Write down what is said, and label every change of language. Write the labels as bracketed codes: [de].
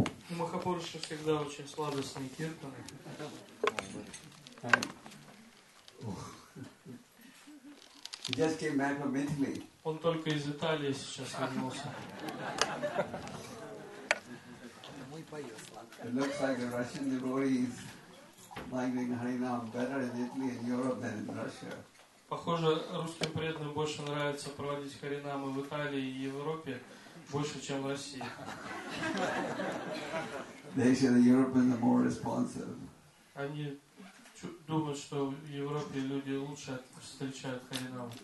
[ru] Махапуруша всегда очень сладостный киртан. [en] He just came back from Italy. [ru] Он только из Италии сейчас вернулся. [en] It looks like the Russian devotees liking Harinam better in Italy and Europe than in Russia. [ru] Похоже, русским преданным больше нравится проводить Харинамы в Италии и Европе больше, чем в России. [en] They say the Europeans are more responsive. [ru] Они думают, что в Европе люди лучше встречают Харинаму.